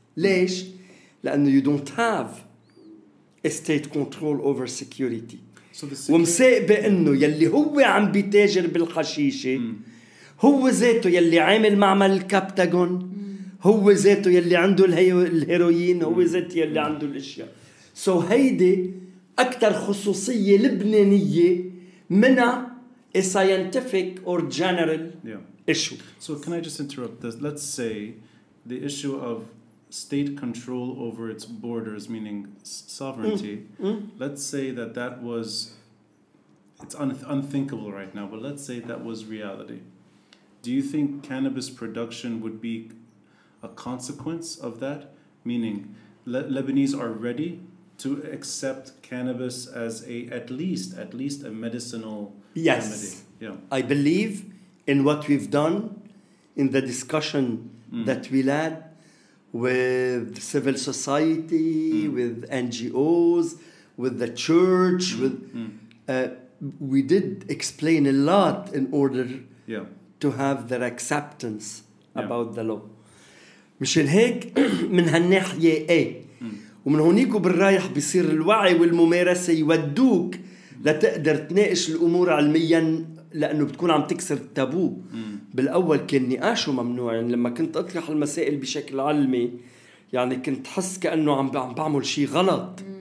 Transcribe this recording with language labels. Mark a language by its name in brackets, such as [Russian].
[Arabic] ليش؟ لأنه [English] you don't have a state control over security. [Arabic] ومساق بأنه يلي هو عم بيتاجر بالحشيشة هو ذاته يلي عامل معمل الكابتاغون هو ذاته يلي عنده الهيروين هو ذاته يلي عنده الاشياء. سو هيدي اكتر خصوصية لبنانية من [English] a scientific or general issue. So can I just interrupt this? Let's say the issue of state control over its borders, meaning sovereignty, let's say that that was, it's unthinkable right now, but let's say that was reality. Do you think cannabis production would be a consequence of that, meaning Lebanese are ready to accept cannabis as a at least a medicinal remedy? Yeah. I believe in what we've done in the discussion that we had with civil society, with NGOs, with the church, with we did explain a lot in order to have their acceptance about the law. [Arabic] مشان هيك من هالناحية ايه ومن هونيك وبالرايح بيصير الوعي والممارسة يودوك لتقدر تناقش الأمور علميا لأنه بتكون عم تكسر التابو. بالأول كان نقاشه ممنوع يعني لما كنت أطرح المسائل بشكل علمي يعني كنت حس كأنه عم بعمل شيء غلط.